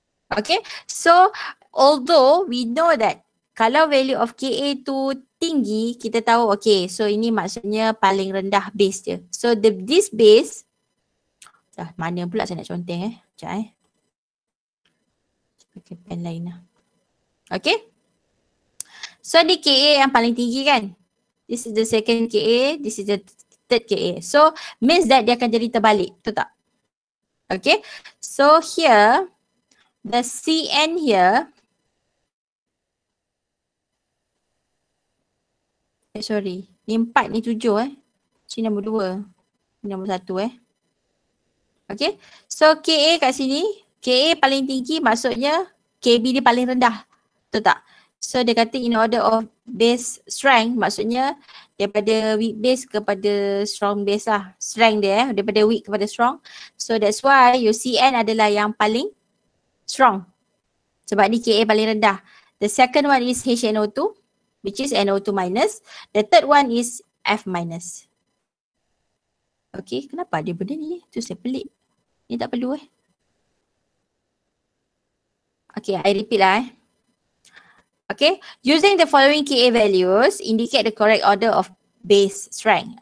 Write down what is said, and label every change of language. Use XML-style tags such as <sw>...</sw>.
<en>Okay, so although we know that</en> <ms>kalau</ms> <en>value of Ka</en> <ms>tu tinggi, kita tahu</ms> <en>okay, so</en> <ms>ini maksudnya paling rendah</ms> <en>base dia.</en> <ms>So this base, mana pula saya nak conteng eh? Sekejap eh. Pakai pen lain lah. Okay. So ni Ka yang paling tinggi kan?</ms> <en>This is the second Ka, this is the third Ka. So means that</en> <ms>dia akan jadi terbalik, betul tak?</ms> <en>Okay, so here, the CN here.</en> <ms>Eh, sorry. Ni 4 ni 7 eh. Sini nombor 2. Sini nombor 1 eh. Okay. So KA kat sini. KA paling tinggi maksudnya KB dia paling rendah. Betul tak? So dia kata in order of base strength maksudnya daripada weak base kepada strong base lah. Strength dia eh. Daripada weak kepada strong.</ms> <en>So that's why your CN</en> <ms>adalah yang paling</ms> <en>strong.</en> <ms>Sebab ni Ka paling rendah.</ms> <en>The second one is HNO2, which is NO2 minus. The third one is F minus.</en> <ms>Okay, kenapa dia benda ni? Tu saya pelik. Ni tak perlu eh.</ms> <en>Okay, I repeat lah eh. Okay, using the following Ka values, indicate the correct order of base strength.</en>